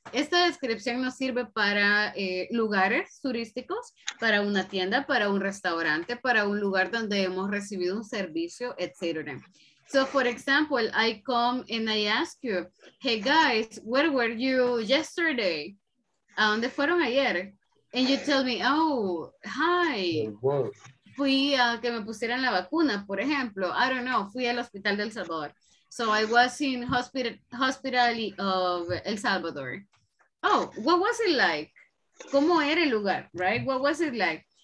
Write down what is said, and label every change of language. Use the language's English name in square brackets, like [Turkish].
[Spanish] Esta descripción nos sirve para lugares turísticos, para una tienda, para un restaurante, para un lugar donde hemos recibido un servicio, etc. [English] So, for example, I come and I ask you, hey, guys, where were you yesterday? [Spanish] ¿A dónde fueron ayer? [English] And you tell me, oh, hi. [Spanish] Fui a que me pusieran la vacuna, por ejemplo. [English] I don't know. [Spanish] Fui al hospital del Salvador. [English] So I was in hospital of El Salvador. Oh, what was it like? [Spanish] ¿Cómo era el lugar? [English] Right? What was it like?